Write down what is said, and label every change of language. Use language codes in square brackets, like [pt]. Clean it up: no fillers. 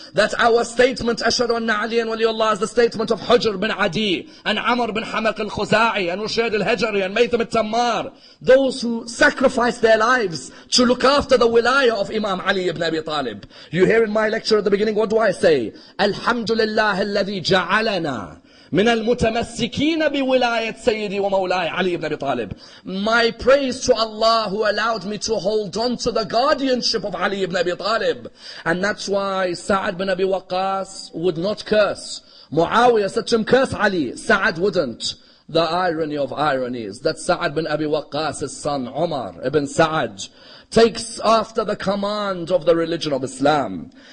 [en] That our statement, [ar] Ashhadu anna Ali and waliyullah, [en] is the statement of Hujr bin Adi, and Amr bin Hamak al-Khuza'i, and Rushayd al-Hijri, and Maytham al-Tammar. Those who sacrificed their lives to look after the wilayah of Imam Ali ibn Abi Talib. You hear in my lecture at the beginning, what do I say? [ar] Alhamdulillah alladhi ja'alana. من المتمسكين بولاية سيدي ومولاي علي بن أبي طالب. [en] My praise to Allah who allowed me to hold on to the guardianship of Ali ibn Abi Talib. And that's why Sa'ad bin Abi Waqas would not curse. Muawiyah said to him, curse Ali. Sa'ad wouldn't. The irony of ironies that Sa'ad bin Abi Waqas's son Umar ibn Sa'ad takes after the command of the religion of Islam.